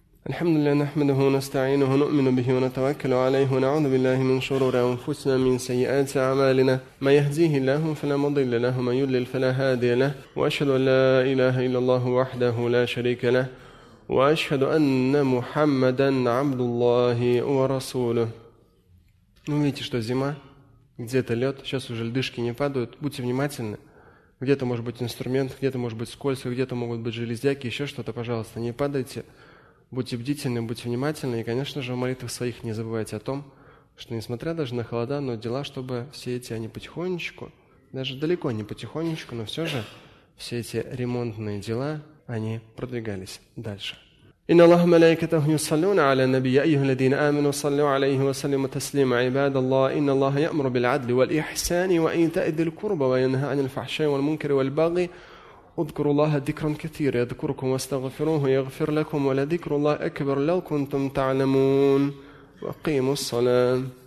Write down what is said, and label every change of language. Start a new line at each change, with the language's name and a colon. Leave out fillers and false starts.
Arabic: الحمد لله نحمده ونستعينه ونؤمن به ونتوكل عليه ونعوذ بالله من شرور أنفسنا من سيئات أعمالنا ما يهديه الله فلا مضل له ما يضلل فلا هادي له وأشهد أن لا إله إلا الله وحده لا شريك له وأشهد أن محمدا عبد الله ورسوله.
Russian: Вы видите, что зима, где-то лед, сейчас уже льдышки не падают, будьте внимательны. Где-то может быть инструмент, где-то может быть скользко, где-то могут быть железяки, еще что-то, пожалуйста, не падайте. Будьте бдительны, будьте внимательны, и, конечно же, в молитвах своих не забывайте о том, что, несмотря даже на холода, но дела, чтобы все эти, они потихонечку, даже далеко не потихонечку, но все же все эти ремонтные дела, они продвигались дальше.
Arabic: إن الله ملائكته يصلون على النبي يا أيها الذين آمنوا صلوا عليه وسلموا تسليما عباد الله إن الله يأمر بالعدل والإحسان وإيتاء ذي القربى وينهى عن الفحشاء والمنكر والبغي اذكروا الله ذكرا كثيرا يذكركم واستغفروه يغفر لكم ولذكر الله أكبر لو كنتم تعلمون وأقيموا الصلاة.